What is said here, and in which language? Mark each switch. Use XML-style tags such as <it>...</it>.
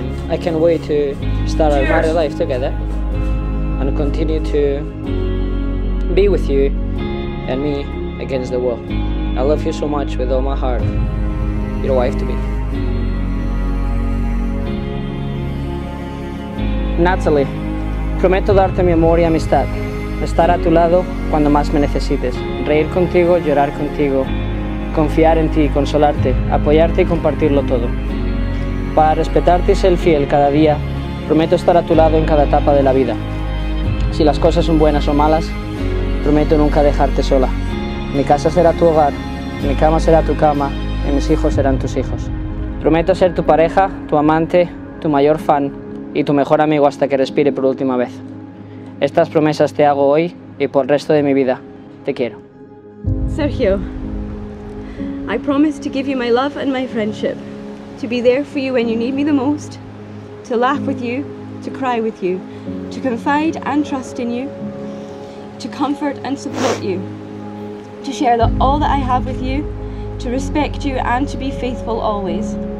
<en>I can't wait to start our married life together and continue to be with you and me against the world. I love you so much with all my heart, your wife to be.</en> <es>Natalie, prometo darte mi amor y amistad, estar a tu lado cuando más me necesites, reír contigo, llorar contigo, confiar en ti, consolarte, apoyarte y compartirlo todo. Para respetarte y ser fiel cada día, prometo estar a tu lado en cada etapa de la vida. Si las cosas son buenas o malas, prometo nunca dejarte sola. Mi casa será tu hogar, mi cama será tu cama y mis hijos serán tus hijos. Prometo ser tu pareja, tu amante, tu mayor fan y tu mejor amigo hasta que respire por última vez. Estas promesas te hago hoy y por el resto de mi vida. Te quiero.</es> <en>Sergio, I promise to give you my love and my friendship, to be there for you when you need me the most, to laugh with you, to cry with you, to confide and trust in you, to comfort and support you, to share all that I have with you, to respect you and to be faithful always.</en>